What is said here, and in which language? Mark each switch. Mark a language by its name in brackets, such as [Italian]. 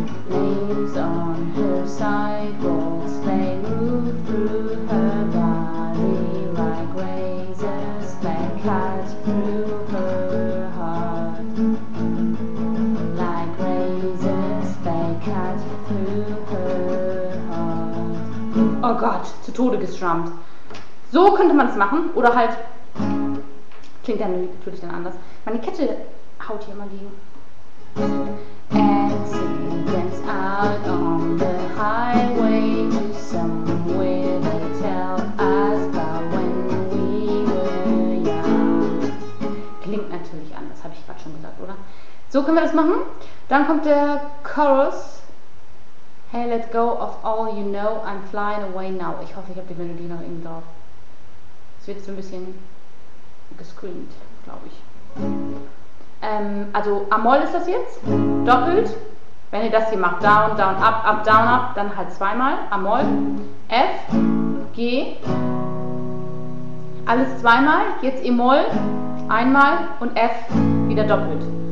[English] Names on her sidewalks, they move through her body like razors that cut through her heart. Like razors that cut through her heart. [German] Oh Gott, zu Tode gestrummt. So könnte man es machen. Oder halt, klingt dann natürlich dann anders. Meine Kette haut hier immer gegen. [English] Accidents out on the highway to somewhere they tell us about when we were young. [German] Klingt natürlich anders, habe ich gerade schon gesagt, oder? So können wir das machen. Dann kommt der Chorus. [English] Hey, let go of all you know, I'm flying away now. [German] Ich hoffe, ich habe die Melodie noch irgendwie drauf. Es wird so ein bisschen gescreamt, glaube ich. Also A-Moll ist das jetzt, doppelt. Wenn ihr das hier macht, down, down, up, up, down, up, dann halt zweimal. A-Moll, F, G, alles zweimal, jetzt E-Moll, einmal und F wieder doppelt.